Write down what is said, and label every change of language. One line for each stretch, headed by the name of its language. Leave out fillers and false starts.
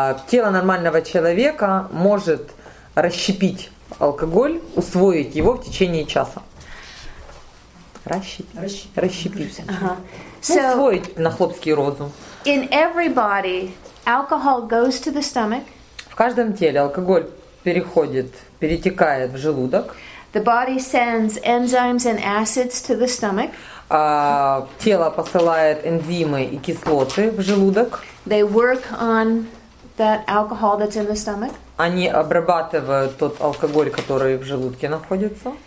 Russian: Тело нормального человека может расщепить алкоголь, усвоить его в течение часа. Расщепить. Uh-huh. Усвоить so, на хлопский розу.
English: In everybody, alcohol goes to the stomach.
Russian: В каждом теле алкоголь перетекает в желудок.
English: The body sends enzymes and acids to the stomach.
Russian: Тело посылает энзимы и кислоты в желудок.
English: They work on that alcohol that's in the stomach.
Russian: Они обрабатывают тот алкоголь, который в желудке находится.